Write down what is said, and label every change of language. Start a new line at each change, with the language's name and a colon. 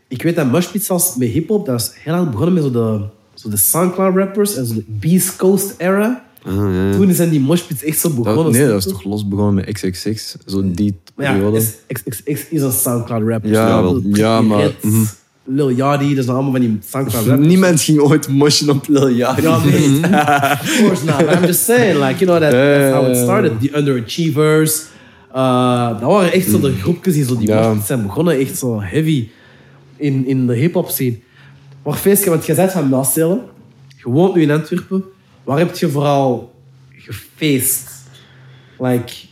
Dutch: Ik weet dat moshpits zelfs met hip-hop, dat is heel lang begonnen met zo de SoundCloud rappers en zo de Beast Coast era. Toen zijn die moshpits echt zo begonnen. Dat, nee, dat is toch los begonnen met XXX. Zo die periode. Ja, XXX is een SoundCloud rapper. Ja, dus wel. Ja, maar... Lil Yachty, dat is allemaal van die SoundCloud rappers. Niemand ging ooit moshen op Lil Yachty. Ja, nee.
English: Of course not. I'm just saying, like, you know, that's how it started. The Underachievers.
Dutch: Dat waren echt zo de groepjes die zo die moshpits zijn begonnen. Echt zo heavy in de hip-hop scene. Maar Feestje, want je bent van Maastelen. Je woont nu in Antwerpen. Waar heb je vooral gefeest?
English: Like...